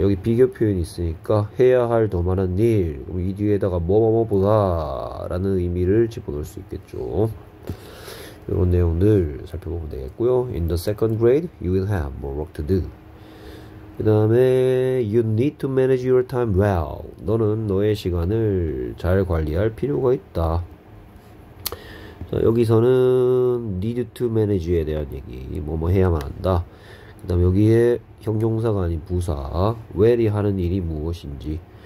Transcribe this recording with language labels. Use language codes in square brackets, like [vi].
[ko] 여기 비교 표현이 있으니까, 해야 할더 많은 일. 이 뒤에다가, 뭐뭐뭐보다라는 의미를 집어넣을 수 있겠죠. 이런 내용들 살펴보면 되겠고요. [en] In the second grade, you will have more work to do. [ko] 그 다음에, [en] you need to manage your time well. [ko] 너는 너의 시간을 잘 관리할 필요가 있다. 자, 여기서는 [en] need to manage [ko] 에 대한 얘기. 뭐뭐 해야만 한다. 그다음 여기에 형용사가 아닌 부사, well이 하는 일이 무엇인지.